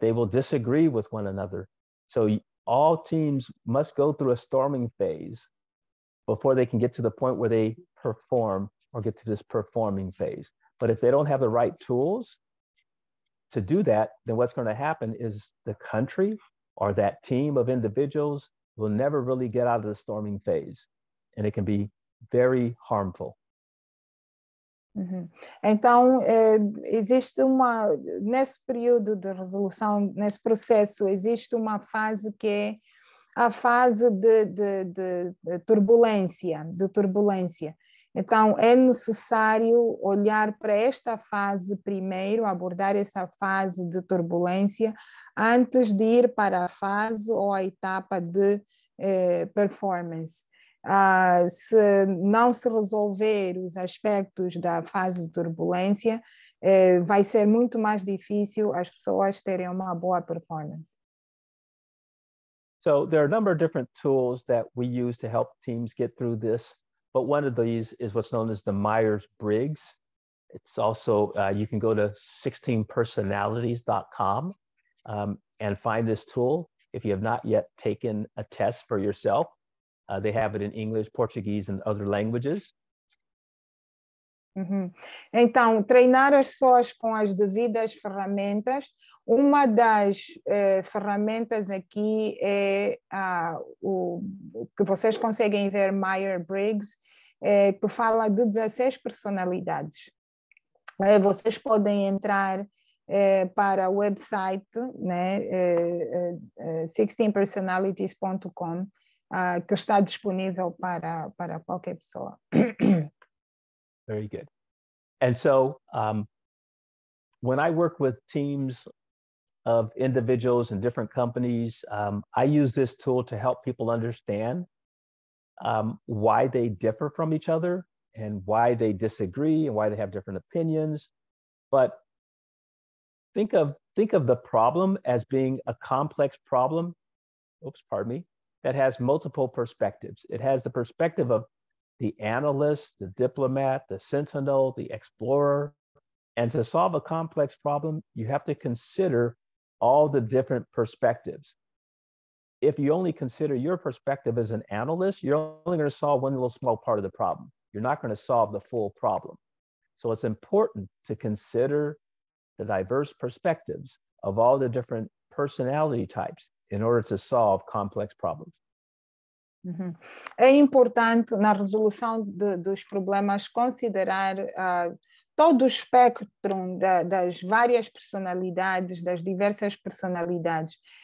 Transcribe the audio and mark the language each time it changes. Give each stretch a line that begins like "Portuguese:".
English: They will disagree with one another. So all teams must go through a storming phase before they can get to the point where they perform or get to this performing phase. But if they don't have the right tools to do that, then what's going to happen is the country or that team of individuals will never really get out of the storming phase. And it can be very harmful. Uhum.
Portuguese: Então, existe uma, nesse período de resolução, nesse processo, existe uma fase que é a fase de turbulência. Então, é necessário olhar para esta fase primeiro, abordar essa fase de turbulência, antes de ir para a fase ou a etapa de performance. Se não se resolver os aspectos da fase de turbulência, vai ser muito mais difícil as pessoas terem uma boa performance.
English: So, there are a number of different tools that we use to help teams get through this But one of these is what's known as the Myers-Briggs. It's also, you can go to 16personalities.com and find this tool. If you have not yet taken a test for yourself, they have it in English, Portuguese, and other languages.
Portuguese: Então, treinar as pessoas com as devidas ferramentas. Uma das ferramentas aqui é o que vocês conseguem ver, Myers-Briggs, que fala de 16 personalidades. Vocês podem entrar para o website, né, 16personalities.com, que está disponível para qualquer pessoa.
English: Very good. And so when I work with teams of individuals in different companies, I use this tool to help people understand why they differ from each other and why they disagree and why they have different opinions. But think of the problem as being a complex problem, that has multiple perspectives. It has the perspective of the analyst, the diplomat, the sentinel, the explorer. And to solve a complex problem, you have to consider all the different perspectives. If you only consider your perspective as an analyst, you're only going to solve one little small part of the problem. You're not going to solve the full problem. So it's important to consider the diverse perspectives of all the different personality types in order to solve complex problems.
Portuguese: É importante na resolução dos problemas considerar todo o espectro das várias personalidades, das diversas personalidades.